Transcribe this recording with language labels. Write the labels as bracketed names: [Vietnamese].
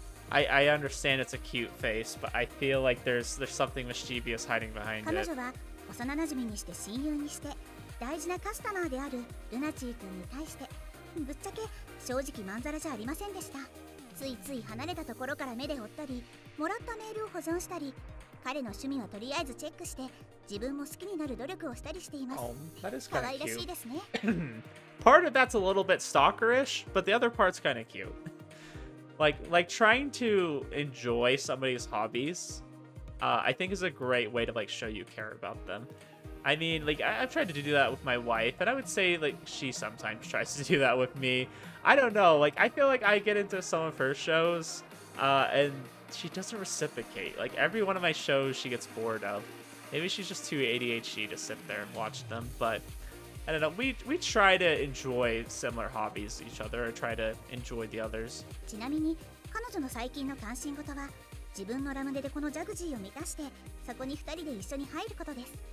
[English] I understand it's a cute face, but I feel like there's something mischievous hiding behind it. [Japanese] ついつい離れたところから目で追ったり、もらったメールを保存したり、彼の趣味を取りあえずチェックして、自分も好きになる努力をしたりしています。可愛らしいですね。 [English] Part of that's a little bit stalkerish, but the other part's kind of cute. like trying to enjoy somebody's hobbies, I think is a great way to like show you care about them. I mean, like, I've tried to do that with my wife, and I would say, like, she sometimes tries to do that with me. I don't know, like, I feel like I get into some of her shows, and she doesn't reciprocate. Like, every one of my shows she gets bored of. Maybe she's just too ADHD to sit there and watch them, but I don't know, we try to enjoy similar hobbies to each other, or try to enjoy the others. [Japanese] ちなみに、彼女の最近の関心事は、自分のラムネでこのジャグジーを満たして、そこに二人で一緒に入ることです。